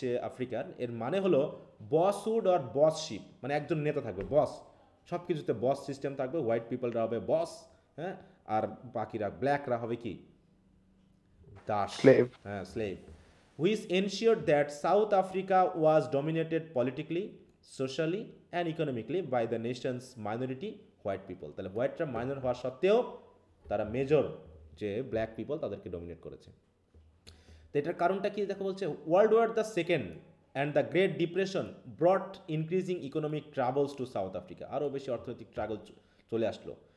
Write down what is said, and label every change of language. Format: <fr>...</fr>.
<bn>আফ্রিকার এর মানে হলো বসউড অর বসশিপ, মানে একজন নেতা থাকবে, বস, সবকিছুতে বস সিস্টেম থাকবে, হোয়াইট পিপলরা হবে বস, হ্যাঁ, আর বাকিরা ব্ল্যাকরা হবে কি, দাস, হ্যাঁ, slave.</bn> <en>Which ensured that South Africa was dominated politically, socially, and economically by the nation's minority white people.</en> <bn>তাহলে হোয়াইটরা মাইনর হওয়া সত্ত্বেও তারা মেজর, যে ব্ল্যাক পিপল তাদেরকে ডমিনেট করেছে। তো এটার কারণটা কি দেখো, বলছে</bn> <en>world war the second and the great depression brought increasing economic travels to South Africa,</en> <bn>আরও বেশি অর্থনৈতিক ট্রাভেল চলে আসলো।</bn>